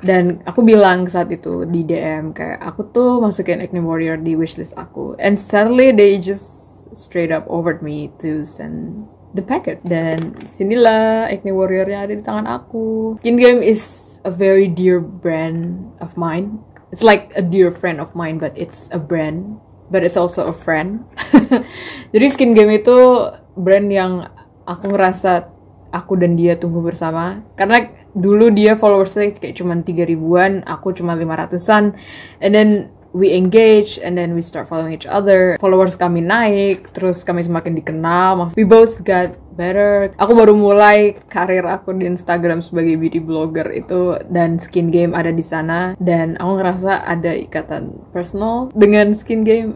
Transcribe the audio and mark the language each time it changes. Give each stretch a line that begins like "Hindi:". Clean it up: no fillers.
Indonesian: Dan aku bilang saat itu di DM kayak aku tuh masukin Acne Warrior di wishlist aku,
English: and suddenly they just straight up offered me to send the packet.
Indonesian: Dan sinilah Acne Warrior-nya ada di tangan aku.
English: Skin Game is a very dear brand of mine. It's like a dear friend of mine, but it's a brand, but it's also a friend.
Indonesian: Jadi Skin Game itu brand yang aku ngerasa aku dan dia tumbuh bersama. Karena dulu dia followers-nya kayak cuma 3 ribuan, aku cuma 500-an.
English: And then we engage, and then we start following each other.
Indonesian: Followers kami naik, terus kami semakin dikenal.
English: We both got better.
Indonesian: Aku baru mulai karir aku di Instagram sebagai beauty blogger itu, dan Skin Game ada di sana. Dan aku ngerasa ada ikatan personal dengan Skin Game.